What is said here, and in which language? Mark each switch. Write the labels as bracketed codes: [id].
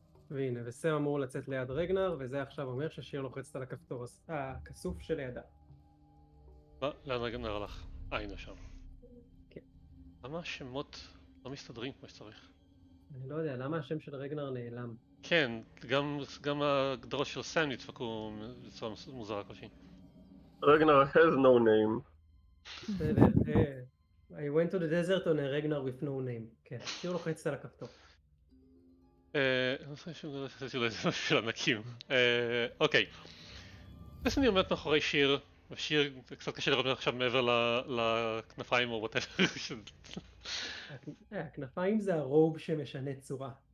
[he] והנה, וסם אמור לצאת ליד רגנר, וזה עכשיו אומר ששיר לוחצת על הכפתור הכסוף שלידה. מה? לאן רגנר הלך? היינו שם. כן. למה השמות לא מסתדרים כמו שצריך? אני לא יודע, למה השם של רגנר נעלם? כן, גם הגדרות של סם נדפקו בצורה מוזרה כלשהי. [en] רגנר has no name. I went to the desert on a Ragnar with no name. [he] כן, שיר לוחצת על הכפתור. אני חושב שאני לא חושב שאולי זה משהו של ענקים. אוקיי. בסני עומדת מאחורי שיר, ושיר קצת קשה לראות עכשיו מעבר לכנפיים או whatever. הכנפיים זה הרוב שמשנה צורה.